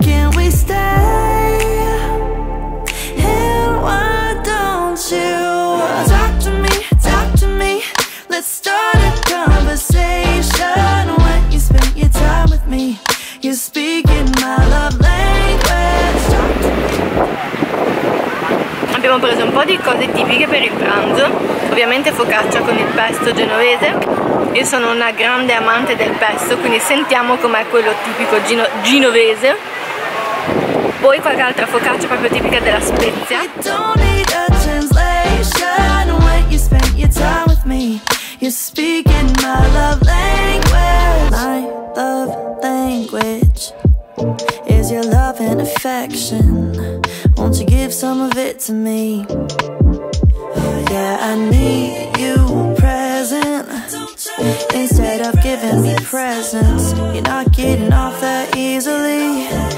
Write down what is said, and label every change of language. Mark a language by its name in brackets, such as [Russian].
[English] Can we stay? And why don't you talk to me, talk to me? Let's start a conversation. When you spend your time with me, you speak in my love language. Talk to me. [Italian] Abbiamo preso un po' di cose tipiche per il pranzo, ovviamente focaccia con il pesto genovese. Io sono una grande amante del pesto, quindi sentiamo com'è quello tipico genovese. Poi qualche altra focaccia proprio tipica della Spezia. [English] Won't you give some of it to me? Yeah, I need you present. Instead of giving me presents, you're not getting off that easily.